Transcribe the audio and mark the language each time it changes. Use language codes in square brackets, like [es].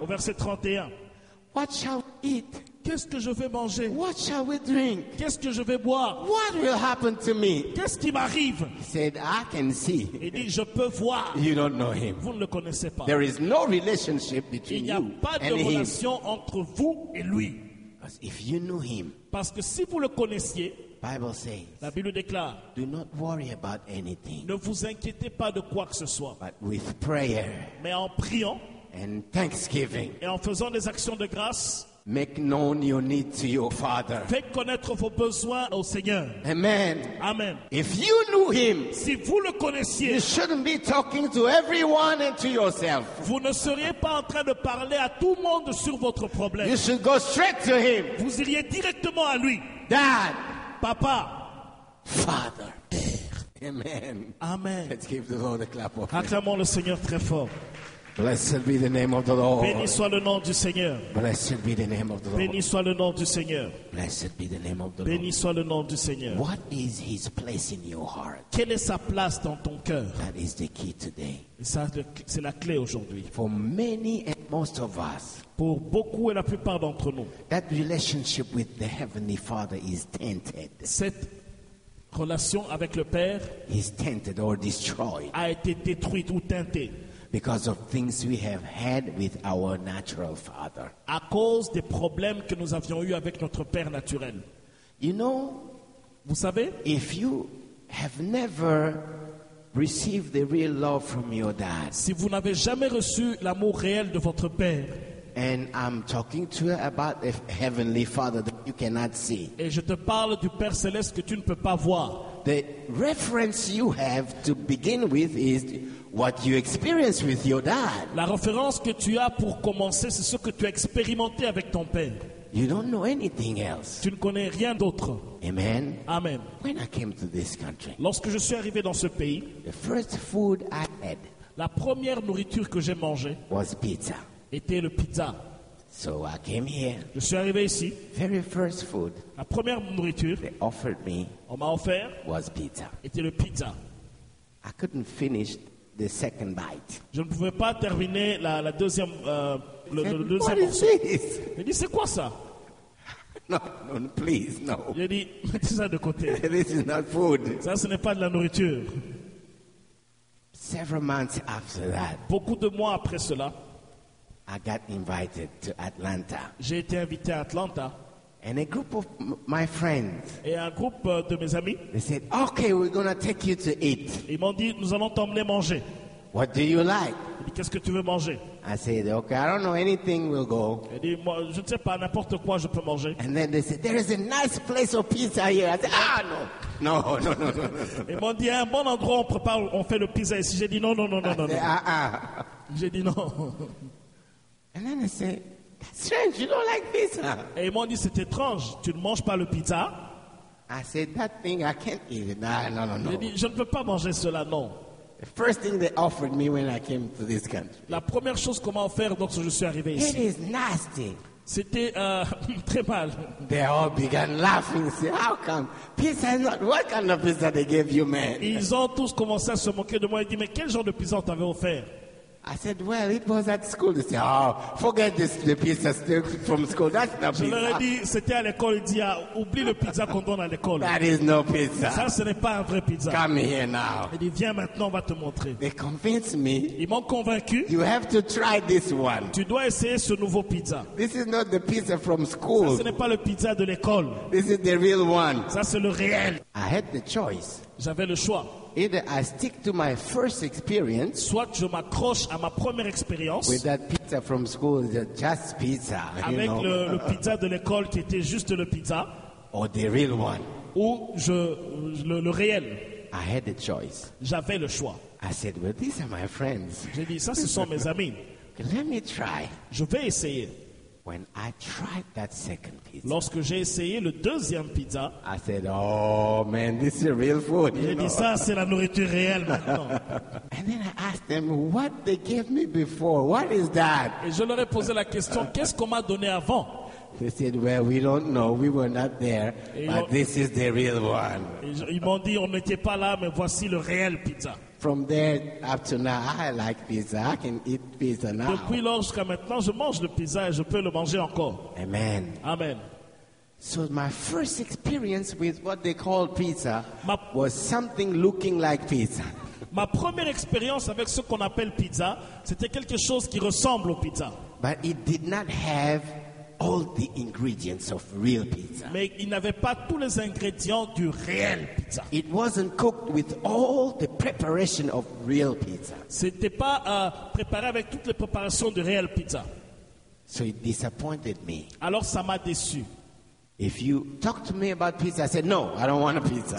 [fr] Au verset 31. [en] What shall we eat? [fr] Qu'est-ce que je vais manger? [en] What shall we drink? [fr] Qu'est-ce que je vais boire? [en] What will happen to me? [fr] Qu'est-ce qui m'arrive? [en] He said, I can see. [fr] Il dit, je peux voir. [en] You don't know him. [fr] Vous ne le connaissez pas. [en] There is no relationship between you and him. [fr] Il n'y a pas de relation entre vous et lui. [en] Because if you knew him, [fr] parce que si vous le connaissiez, [en] Bible says, [fr] la Bible déclare, [en] do not worry about anything. [fr] Ne vous inquiétez pas de quoi que ce soit. [en] But with prayer, [fr] mais en priant, [en] and thanksgiving, [fr] et en faisant des actions de grâce, [en] make known your need to your Father. [fr] Faites connaître vos besoins au Seigneur. [en] Amen. [fr] Amen. [en] If you knew him, [fr] si vous le connaissiez, [en] you shouldn't be talking to everyone and to yourself. [fr] Vous ne seriez pas en train de parler à tout le monde sur votre problème. [en] You should go straight to him. [fr] Vous iriez directement à lui. [en] Dad. [fr] Papa. [en] Father. Père. Amen. [fr] Amen. [en] Let's give the Lord a clap of [fr] acclamons le Seigneur très fort. [en] Blessed be the name of the Lord. [fr] Béni soit le nom du Seigneur. [en] Blessed be the name of the Lord. [fr] Béni soit le nom du Seigneur. [en] Blessed be the name of the Lord. [fr] Béni soit le nom du Seigneur. [en] What is his place in your heart? [fr] Quelle est sa place dans ton cœur? [en] That is the key today. [fr] Ça, c'est la clé aujourd'hui. [en] For many and most of us, [fr] pour beaucoup et la plupart d'entre nous, [en] that relationship with the Heavenly Father is tainted. [fr] Cette relation avec le Père [en] is tainted or destroyed. [fr] A été détruite ou teintée. [en] Because of things we have had with our natural father. [fr] À cause des problèmes que nous avions eu avec notre père naturel. [en] You know, [fr] vous savez, [en] if you have never received the real love from your dad. [fr] Si vous n'avez jamais reçu l'amour réel de votre père. [en] And I'm talking to you about a heavenly father that you cannot see. [fr] Et je te parle du père céleste que tu ne peux pas voir. [en] The reference you have to begin with is what you experience with your dad. [fr] La référence que tu as pour commencer, c'est ce que tu as expérimenté avec ton père. [en] You don't know anything else. [fr] Tu ne connais rien d'autre. [en] Amen. [fr] Amen. [en] When I came to this country, [fr] lorsque je suis arrivé dans ce pays, [en] the first food I had, [fr] la première nourriture que j'ai mangée, [en] was pizza. [fr] Était le pizza. [en] So I came here. [fr] Je suis arrivé ici. [en] Very first food, [fr] la première nourriture, [en] they offered me, [fr] on m'a offert, [en] was pizza. [fr] Était le pizza. [en] I couldn't finish the second bite. [fr] Je ne pouvais pas terminer la deuxième le deuxième [en] what [fr] morceau. [en] Is this? [fr] J'ai dit, c'est quoi ça? [en] No, please, no. [fr] J'ai dit, mettez ça de côté. [en] This is not food. [fr] Ça, ce n'est pas de la nourriture. [en] Several months after that, [fr] beaucoup de mois après cela, [en] I got invited to Atlanta. [fr] J'ai été invité à Atlanta. [en] And a group of my friends. [fr] Et un groupe de mes amis. [en] They said, "Okay, we're gonna take you to eat." [fr] Ils m'ont dit, nous allons t'emmener manger. [en] What do you like? [fr] Ils disent, qu'est-ce que tu veux manger? [en] I said, "Okay, I don't know anything. We'll go." [fr] Ils disent, moi, je ne sais pas n'importe quoi, je peux manger. [en] And then they said, "There is a nice place of pizza here." I said, "Ah, no." [fr] Ils m'ont dit, un bon endroit, on prépare, on fait le pizza ici. J'ai dit, non. J'ai dit non. [en] And then they said, "That's strange, you don't like pizza." [fr] Et ils m'ont dit, c'est étrange, tu ne manges pas le pizza. [en] I said, "That thing I can't eat." No. [fr] J'ai dit, je ne peux pas manger cela, non. [en] The first thing they offered me when I came to this country. [fr] La première chose qu'on m'a offert lorsque je suis arrivé ici. [en] It is nasty. [fr] C'était très mal. [en] They all began laughing. Say, "How come pizza is not? What kind of pizza they gave you, man?" [fr] Ils ont tous commencé à se moquer de moi et dit, mais quel genre de pizza on t'avait offert? [en] I said, "Well, it was at school." They said, "Oh, forget this, the pizza still from school. That's not pizza." [fr] Je leur ai dit, c'était à l'école. Il dit, oublie le pizza qu'on donne à l'école. [en] That is no pizza. [fr] Ça, ce n'est pas un vrai pizza. [en] Come here now. [fr] Il dit, viens maintenant, on va te montrer. [en] They convinced me. [fr] Ils m'ont convaincu. [en] You have to try this one. [fr] Tu dois essayer ce nouveau pizza. [en] This is not the pizza from school. [fr] Ça, ce n'est pas le pizza de l'école. [en] This is the real one. [fr] Ça, c'est le réel. [en] I had the choice. [fr] J'avais le choix. [en] Either I stick to my first experience. [fr] Soit je m'accroche à ma première expérience. [en] With that pizza from school, just pizza. [fr] Avec le pizza de l'école qui était juste le pizza. [en] Or the real one. [fr] Ou le réel. [en] I had the choice. [fr] J'avais le choix. [en] I said, "Well, these are my friends." [fr] J'ai dit, ça, ce sont mes amis. [en] Let me try. [fr] Je vais essayer. [en] When I tried that second pizza, [fr] lorsque j'ai essayé le deuxième pizza, [en] I said, "Oh man, this is real food." [fr] J'ai dit, ça, c'est la nourriture réelle maintenant. [en] And then I asked them what they gave me before. What is that? [fr] Et je leur ai posé la question, qu'est-ce qu'on m'a donné avant? [en] They said, "Well, we don't know. We were not there, but this is the real one." [fr] Ils m'ont dit, on n'était pas là, mais voici le réel pizza. [en] From there up to now, I like pizza. I can eat pizza now. [fr] Depuis lors jusqu'à maintenant, je mange de pizza et je peux le manger encore. [en] Amen. [fr] Amen. [en] So my first experience with what they call pizza was something looking like pizza. [fr] Ma première expérience avec ce qu'on appelle pizza, c'était quelque chose qui ressemble au pizza. [en] But it did not have all the ingredients of real pizza. [fr] Mais il n'avait pas tous les ingrédients du réel pizza. [en] It wasn't cooked with all the preparation of real pizza. [fr] C'était pas préparé avec toutes les préparations de réel pizza. [en] So it disappointed me. [fr] Alors ça m'a déçu. [en] If you talk to me about pizza, I said no, I don't want a pizza.